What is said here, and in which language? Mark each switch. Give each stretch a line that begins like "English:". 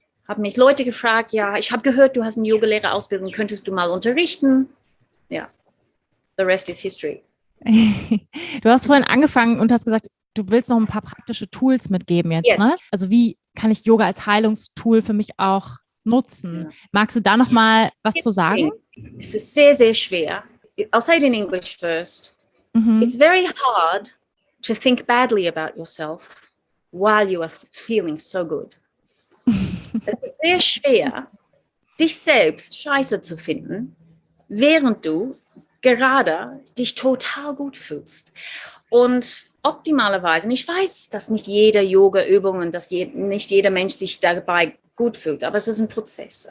German: Haben mich Leute gefragt, ja, ich habe gehört, du hast eine Yoga-Lehrer-Ausbildung, könntest du mal unterrichten?
English: Ja, the rest is history.
German: Du hast vorhin angefangen und hast gesagt, du willst noch ein paar praktische Tools mitgeben jetzt, yes, ne? Also wie kann ich Yoga als Heilungstool für mich auch nutzen. Ja. Magst du da noch mal was zu sagen? Es ist sehr, sehr schwer.
English: I'll say it in English first. Mm-hmm. It's very hard to think badly about yourself while you are feeling so good.
German: Es ist sehr schwer, dich selbst scheiße zu finden, während du gerade dich total gut fühlst. Und optimalerweise, und ich weiß, dass nicht jede Yoga-Übung und dass nicht jeder Mensch sich dabei gut fühlt, aber es ist ein Prozess.